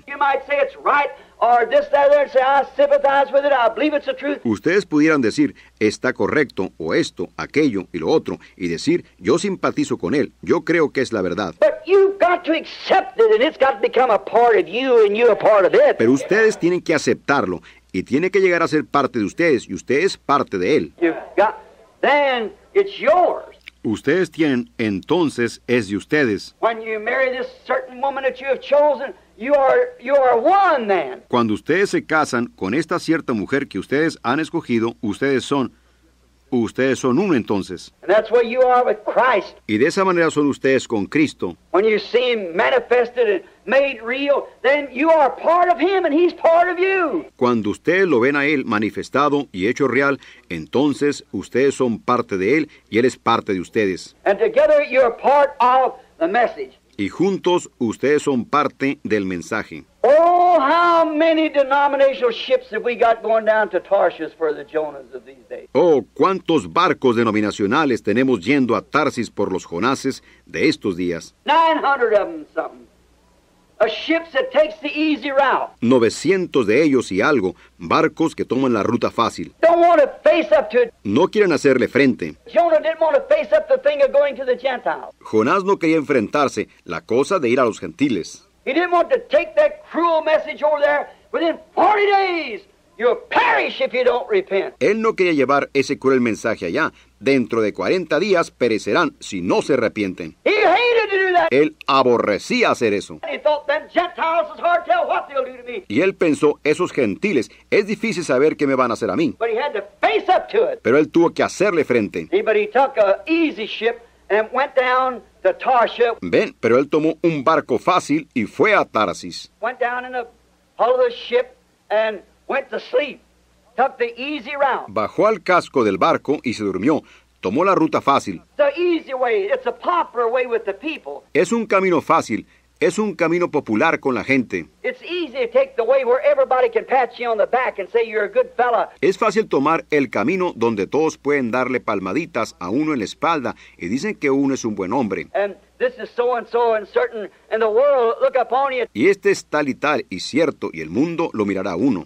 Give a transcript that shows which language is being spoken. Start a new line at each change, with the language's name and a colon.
English: You might say it's right or this, that, or say I sympathize with it, I believe it's the truth.
Spanish: Ustedes pudieran decir está correcto o esto, aquello y lo otro y decir yo simpatizo con él, yo creo que es la verdad.
English: But you've got to accept it and it's got to become a part of you and you're a part of it.
Spanish: Pero ustedes tienen que aceptarlo y tiene que llegar a ser parte de ustedes y ustedes parte de él.
English: Then it's yours.
Spanish: Ustedes tienen, entonces es de ustedes.
English: When you marry this certain woman that you have chosen, You are one then.
Spanish: Cuando ustedes se casan con esta cierta mujer que ustedes han escogido, ustedes son uno entonces.
English: And that's what you are with Christ.
Spanish: Y de esa manera son ustedes con Cristo.
English: When you see him manifested and made real, then you are part of him and he's part of you.
Spanish: Cuando ustedes lo ven a él manifestado y hecho real, entonces ustedes son parte de él y él es parte de ustedes.
English: And together you're part of the message.
Spanish: Y juntos ustedes son parte del mensaje.
English: Oh, how many denominational ships have we got going down to Tarshish for the Jonas of these days?
Spanish: Oh, cuántos barcos denominacionales tenemos yendo a Tarsis por los Jonases de estos días.
English: 900 of them something. A ship that takes the easy route.
Spanish: 900 de ellos y algo, barcos que toman la ruta fácil.
English: Don't want to face up to it.
Spanish: No quieren hacerle frente.
English: Jonah didn't want to face up the thing of going to the Gentiles.
Spanish: Jonás no quería enfrentarse la cosa de ir a los gentiles.
English: He didn't want to take that cruel message over there within 40 days. You'll perish if you don't repent.
Spanish: Él no quería llevar ese cruel mensaje allá. Dentro de 40 días perecerán si no se arrepienten.
English: He hated to do that.
Spanish: Él aborrecía hacer eso.
English: And he thought them Gentiles is hard to tell what they'll do to me.
Spanish: Y él pensó, esos gentiles, es difícil saber qué me van a hacer a mí.
English: But he had to face up to it.
Spanish: Pero él tuvo que hacerle frente.
English: But he took an easy ship and went down to Tarshish.
Spanish: Ven, pero él tomó un barco fácil y fue a Tarsis.
English: Went down in the hull of the ship and went to sleep. Took the easy route.
Spanish: Bajó al casco del barco y se durmió. Tomó la ruta fácil.
English: The easy way. It's a popular way with the people.
Spanish: Es un camino fácil. Es un camino popular con la gente.
English: It's easy to take the way where everybody can pat you on the back and say you're a good fella.
Spanish: Es fácil tomar el camino donde todos pueden darle palmaditas a uno en la espalda y dicen que uno es un buen hombre.
English: And this is so and so and certain, and the world look upon you.
Spanish: Y este es tal y tal y cierto, y el mundo lo mirará a uno.